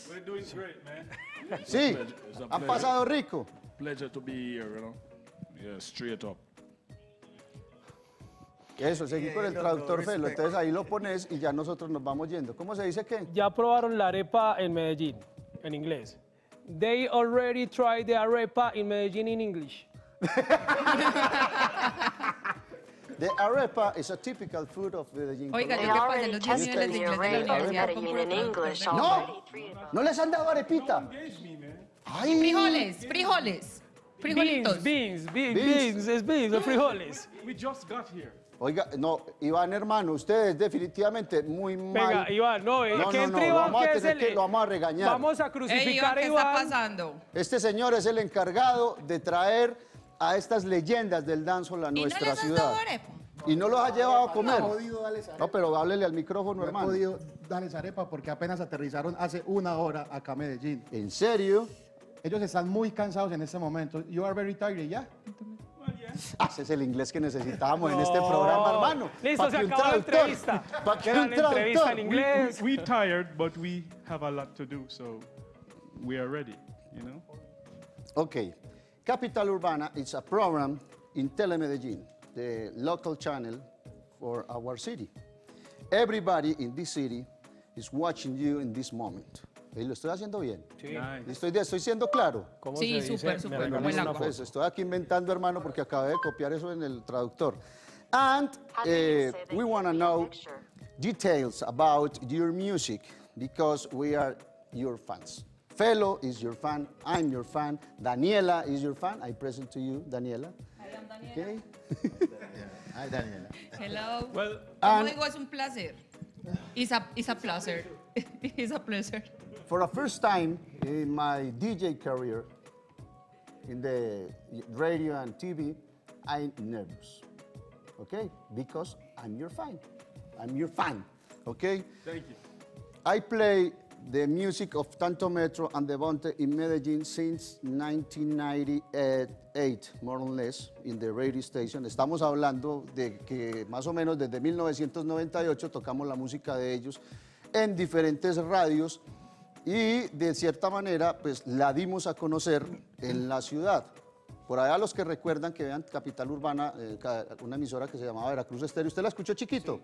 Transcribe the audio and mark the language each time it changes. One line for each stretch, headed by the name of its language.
English: We're doing great, man.
Spanish: Sí, ha pasado rico.
English: Pleasure to be here, you know. Yeah, straight up.
Spanish: Eso, seguí con el traductor Felo, entonces ahí lo pones y ya nosotros nos vamos yendo. ¿Cómo se dice qué? Ya probaron la arepa en Medellín, en inglés.
English: They already tried the arepa in Medellín in English. The arepa is a typical food of Medellín.
Spanish: Oiga, ¿qué pasa? ¿Los 10 niveles de inglés de la universidad? ¡No! ¿No les han dado arepita? ¡Ay! Frijoles, frijolitos. Beans, los frijoles.
English: We just got here.
Spanish: Oiga, no, Iván, hermano, usted es definitivamente muy mal. Venga, Iván, no, lo vamos a regañar. Vamos a crucificar. Ey, Iván, ¿qué Iván está pasando? Este señor es el encargado de traer a estas leyendas del dancehall a nuestra ciudad. ¿Y no les has dado arepa? ¿Y no los ha llevado a comer? No, jodido, dale arepa. No, pero háblele al micrófono, hermano. No he podido darles arepa porque apenas aterrizaron hace una hora acá a Medellín. ¿En serio? Ellos están muy cansados en este momento.
English: You are very tired,
Spanish: ¿ya? Haces el inglés que necesitábamos en este programa, hermano. Listo, se acabó la entrevista. Para que un traductor. En inglés.
English: We tired, but we have a lot to do, so we are ready, you know? Okay. Capital Urbana is a program in Telemedellín, the local channel for our city. Everybody in this city is watching you in this moment.
Spanish: ¿Y lo estoy haciendo bien? Sí. Nice. ¿Estoy siendo claro? ¿Cómo sí, súper, súper. Bueno, pues, estoy aquí inventando, hermano, porque acabé de copiar eso en el traductor.
English: And we want to know details about your music because we are your fans. Felo is your fan, I'm your fan, Daniela is your fan. I present to you, Daniela. I am Daniela. Okay. Hi, Daniela. Hello. Well,
Spanish: como digo, es un placer.
English: It's a pleasure. It's a pleasure. For the first time in my DJ career, in the radio and TV, I'm nervous. okay? Because I'm your fan. I'm your fan, okay? Thank you. I play the music of Tanto Metro and Devonte in Medellin since 1998, more or less, in the radio station.
Spanish: Estamos hablando de que más o menos desde 1998 tocamos la música de ellos en diferentes radios y de cierta manera pues la dimos a conocer en la ciudad. Por allá los que recuerdan que vean Capital Urbana, una emisora que se llamaba Veracruz Estéreo, ¿usted la escuchó chiquito?